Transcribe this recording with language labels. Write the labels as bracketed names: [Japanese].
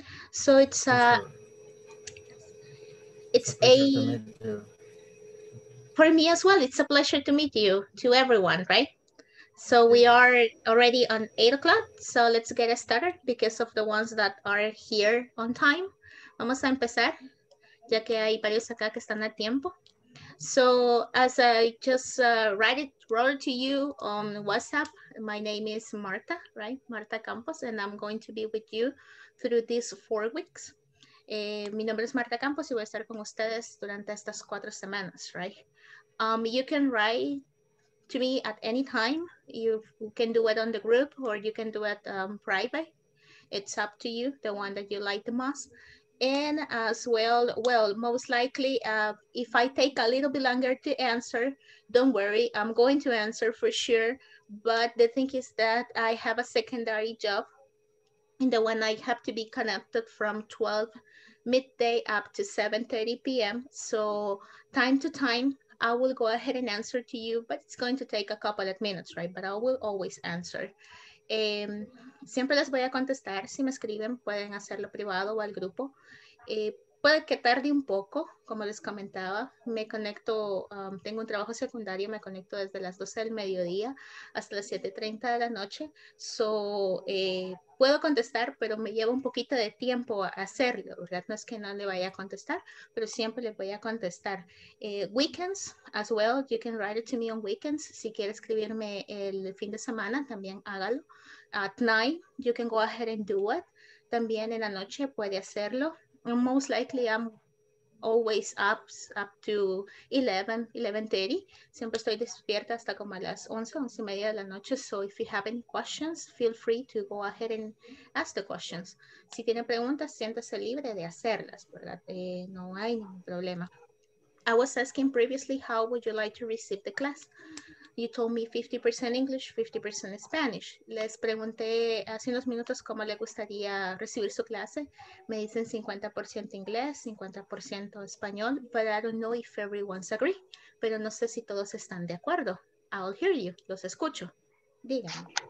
[English] So it's for me as well, it's a pleasure to meet you, to everyone, right? So we are already on 8 o'clock, so let's get started because of the ones that are here on time. [Spanish] Vamos a empezar, ya que hay varios acá que están a tiempo. [English] So as I just wrote to you on WhatsApp, my name is Marta, right? Marta Campos, and I'm going to be with you through these 4 weeks. [Spanish] Mi nombre es Marta Campos y voy a estar con ustedes durante estas 4 semanas, right? [English] You can write to me at any time. You can do it on the group or you can do it private. It's up to you, the one that you like the most. And as well, most likely, if I take a little bit longer to answer, don't worry, I'm going to answer for sure. But the thing is that I have a secondary job in the one I have to be connected from 12 midday up to 7:30 p.m. So time to time, I will go ahead and answer to you, but it's going to take a couple of minutes, right? But I will always answer. [Spanish] Siempre les voy a contestar. Si me escriben, pueden hacerlo privado o al grupo. Puede que tarde un poco, como les comentaba. Me conecto, tengo un trabajo secundario, me conecto desde las 12 del mediodía hasta las 7:30 de la noche. So, puedo contestar, pero me lleva un poquito de tiempo a hacerlo, ¿verdad? No es que no le vaya a contestar, pero siempre le voy a contestar. [English] Weekends as well, you can write it to me on weekends. [Spanish] Si quiere escribirme el fin de semana, también hágalo. [English] At night, you can go ahead and do it. [Spanish] También en la noche puede hacerlo. [English] Most likely, I'm always up to 11:30. [Spanish] Siempre estoy despierta hasta como a las 11:30 de la noche. [English] So if you have any questions, feel free to go ahead and ask the questions. [Spanish] Si tiene preguntas, siéntase libre de hacerlas, ¿verdad? No hay ningún problema. [English] I was asking previously, how would you like to receive the class? You told me 50% English, 50% Spanish. [Spanish] Les pregunté hace unos minutos cómo le gustaría recibir su clase. Me dicen 50% inglés, 50% español, [English] but I don't know if everyone's agree. [Spanish] Pero no sé si todos están de acuerdo. [English] I'll hear you, [Spanish] los escucho. Díganme.